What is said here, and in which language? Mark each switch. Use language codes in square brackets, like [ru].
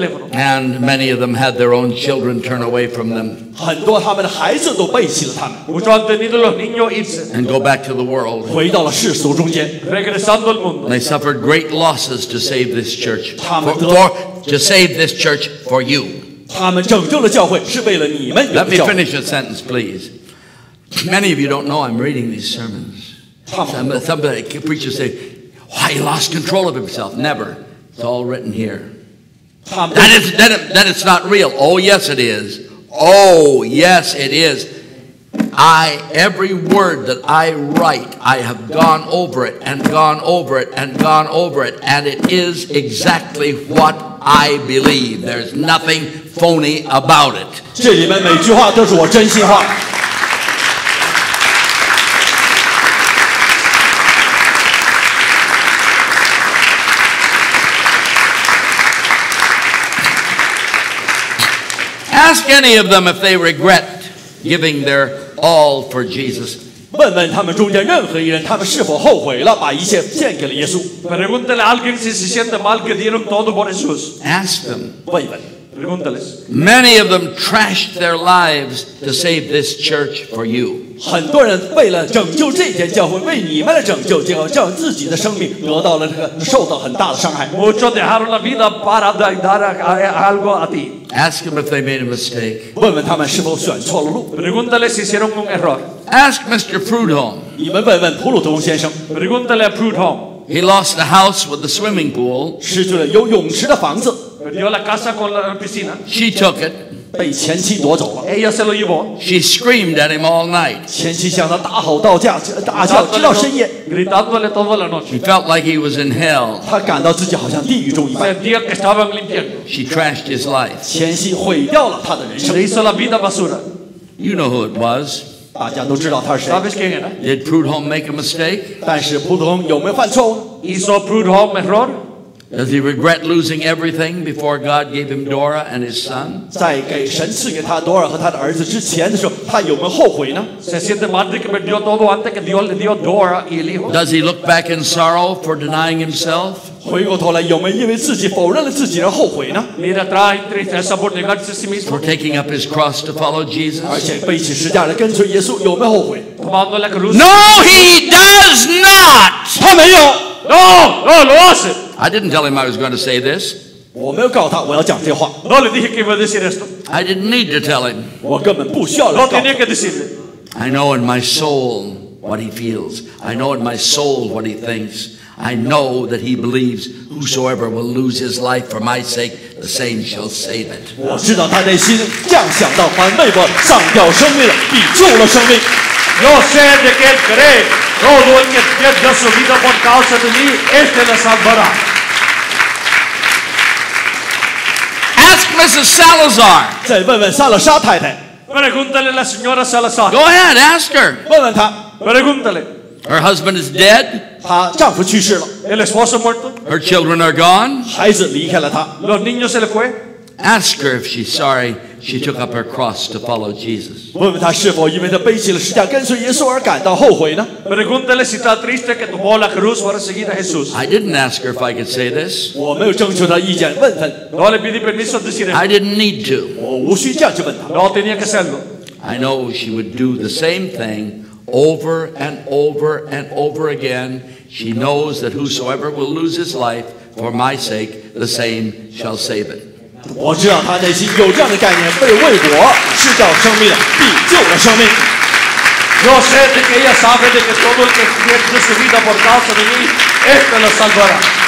[en] And many of them had their own children turn away from them. [zh] 很多他们的孩子都背弃了他们。 [en] And go back to the world. They suffered great losses to save this church. To save this church for you. Let me finish a sentence, please. Many of you don't know I'm reading these sermons. Somebody, preachers say, why, he lost control of himself. Never. It's all written here. That it's not real. Oh, yes, it is. Oh, yes, it is. Every word that I write, I have gone over it and gone over it and gone over it, and it is exactly what I believe. There's nothing phony about it. [zh] 这里面每句话都是我真心话。 [en] Ask any of them if they regret giving their all for Jesus. [zh] 问问他们中间任何一人，他们是否后悔了把一切献给了耶稣。 [es] Pregúntale a alguien si se siente mal que dieron todo por Jesús. [en] Ask them. [zh] 问问。 [es] Pregúntales. [en] Many of them trashed their lives to save this church for you. [zh] 很多人为了拯救这间教会，为你们的拯救，结果让自己的生命得到了这个受到很大的伤害。 [es] Muchos dejaron la vida para dar algo a ti. [en] Ask them if they made a mistake. [zh] 问问他们是否选错了路。 [es] Pregúntale si hicieron un error. [en] Ask Mr. Prudhomme. [zh] 你们问问普鲁通先生。 [es] Pregúntale a Prudhomme. [en] He lost the house with the swimming pool. [zh] 失去了有泳池的房子。 [es] Perdió la casa con la piscina. [en] She took it. [zh] 被前妻夺走了。 [es] Ella se lo llevó. [en] She screamed at him all night. [zh] 前妻向他大吼大叫，大叫直到深夜。 [es] Gritándole toda la noche. [en] He felt like he was in hell. [zh] 他感到自己好像地狱中一般。 [es] Sentía que estaba en el infierno. [en] She trashed his life. [zh] 前妻毁掉了他的人生。 [es] Le hizo la vida basura. [en] You know who it was. [zh] 大家都知道他是谁。 [es] ¿Sabes quién era? [en] Did Prudhomme make a mistake? [zh] 但是普鲁通有没有犯错误？ [es] ¿Hizo Prudhomme error? [en] Does he regret losing everything before God gave him Dora and his son? [zh] 在给神赐给他 Dora 和他的儿子之前的时候，他有没有后悔呢？ [es] Se siente mal de que perdió todo antes que Dios le dio Dora y el hijo. [en] Does he look back in sorrow for denying himself? [zh] 回过头来，有没有因为自己否认了自己而后悔呢？ [es] Mira atrás y tristeza por negarse a sí mismo. [en] For taking up his cross to follow Jesus. [zh] 而且背起十字架来跟随耶稣，有没有后悔？ [es] Tomando la cruz. [en] No, he does not. [zh] 他没有。 [es] No, no, lo hace. [en] I didn't tell him I was going to say this. [zh] 我没有告诉他我要讲这话。 [es] No le dije que iba a decir esto. [en] I didn't need to tell him. [zh] 我根本不需要告诉他。 [es] No tenía que decirle. [en] I know in my soul what he feels. I know in my soul what he thinks. I know that he believes whosoever will lose his life for my sake, the same shall save it. [zh] 我知道他内心这样想到，凡为我丧掉生命的，必救了生命。 [es] Yo sé de qué cree. Todo el que pierda su vida por causa de mí, este la salvará. [en] Ask Mrs. Salazar. [zh] 再问问萨拉莎太太。 [es] Pregúntale a la señora Salazar. [en] Go ahead, ask her. [zh] 问问她。 [es] Pregúntale. [en] Her husband is dead. [zh] 她丈夫去世了。 [es] El esposo muerto. [en] Her children are gone. [zh] 孩子离开了她。 [es] Los niños se le fue. [en] Ask her if she's sorry. She took up her cross to follow Jesus. [zh] 问问他是否因为他背起了十字架跟随耶稣而感到后悔呢？ [es] Pregúntale si está triste que tomó la cruz para seguir a Jesús. [en] I didn't ask her if I could say this. [zh] 我没有征求他意见，问问。 [es] No le pedí permiso de decir. [en] I didn't need to. [zh] 我无需这样去问他。 [es] No tenía que hacerlo. [en] I know she would do the same thing over and over and over again. She knows that whosoever will lose his life for my sake, the same shall save it. [zh] 我知道他内心有这样的概念，被为我失掉生命的，必救了生命。 [es] Yo sé de que ella sabe de que todo el que pierde su vida por causa de mí, esto lo salvará.